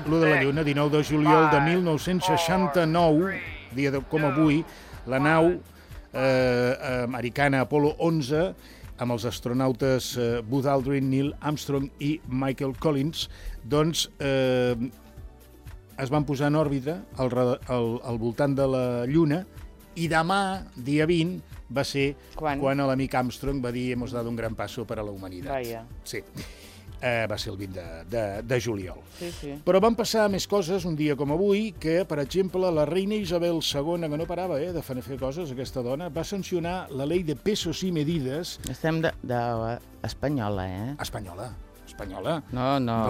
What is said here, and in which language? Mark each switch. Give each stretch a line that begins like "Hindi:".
Catalan: El de la lluna, 19 de juliol de 1969, dia de, com avui, la nau americana Apollo 11, amb els astronautes Buzz Aldrin, Neil Armstrong i Michael Collins, doncs es van posar en òrbita al voltant de la Lluna i demà, dia 20, va ser quan l'amic Armstrong va dir
Spanish: hemos dado un gran paso para la humanidad. Vaya.
Catalan: Sí, va ser el 20 de juliol. Sí, sí. Però van passar més coses un dia com avui, que, per exemple, la reina Isabel II, que no parava de fer coses, aquesta dona, va sancionar la llei de pesos i medidas... Estem de espanyola, eh? Espanyola. Espanyola. No, no.